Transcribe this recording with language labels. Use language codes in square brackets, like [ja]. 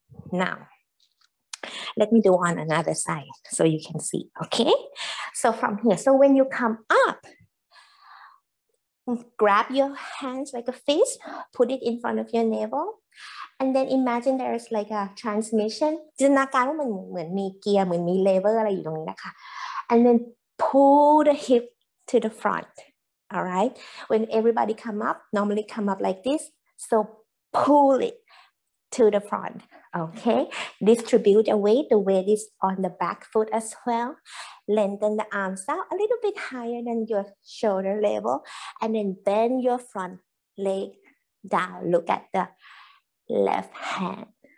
[en] Now, let me do on another side so you can see, okay? So from here, so when you come up, grab your hands like a fist, put it in front of your navel, and then imagine there is like a transmission. [th] จินตนาการว่ามันเหมือนมีเกียร์เหมือนมีเลเวอร์อะไรอยู่ตรงนี้นะคะ [en] And then pull the hip to the front, all right? When everybody come up, normally come up like this, so pull it. To the front, okay? Distribute the weight is on the back foot as well. Lengthen the arms out a little bit higher than your shoulder level, and then bend your front leg down. Look at the left hand,